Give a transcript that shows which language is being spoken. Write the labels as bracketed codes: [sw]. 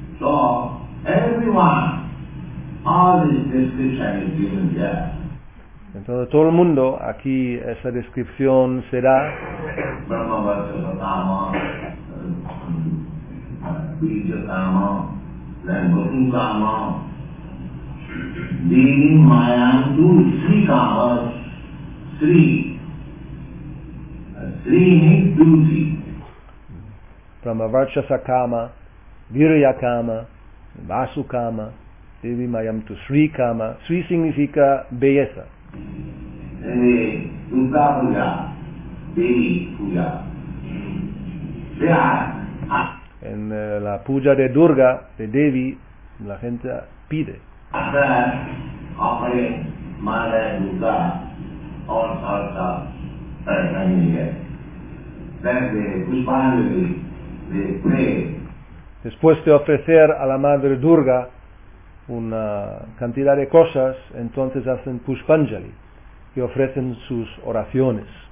[en] So, everyone, all this description is given there. [es] Entonces, todo el mundo, aquí esa descripción será [sa] Brahma Vachana Kama, Bija Kama, Lambhu Kama, Devi Mayantu Sri Kama, Sri, [en] Sri means duty. [sa] Brahma Vachana Kama, Virya Kama, Vasu Kama, Devi Mayantu Sri Kama. [es] Sri significa belleza. [en] And the Durga Puja, Devi Puja, they are [es] en la puja de Durga, de Devi, la gente pide. [en] After offering Mother Durga all sorts of paraphernalia, then the Pushpanjali, they pray. [es] Después de ofrecer a la Madre Durga una cantidad de cosas, entonces hacen Pushpanjali y ofrecen sus oraciones.